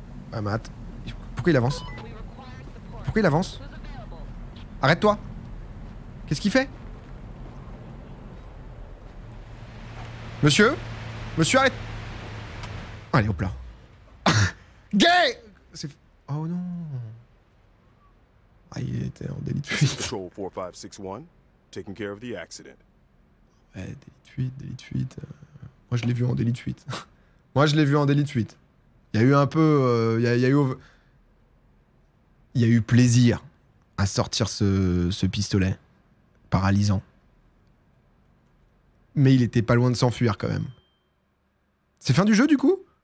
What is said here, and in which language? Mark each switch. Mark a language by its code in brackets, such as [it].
[fr] Bah, Matt, pourquoi il avance? Pourquoi il avance? Arrête-toi! Qu'est-ce qu'il fait? Monsieur? Monsieur, arrête! Allez, hop là. Gay! C'est... Oh non... Ah, il était en délit de fuite. [en] Control 4561, taking care of the accident. [fr] Ouais, délit de fuite... Moi, je l'ai vu en délit de fuite. Il y a eu un peu... Il y a eu plaisir à sortir ce pistolet. Paralysant. Mais il était pas loin de s'enfuir, quand même. C'est fin du jeu, du coup?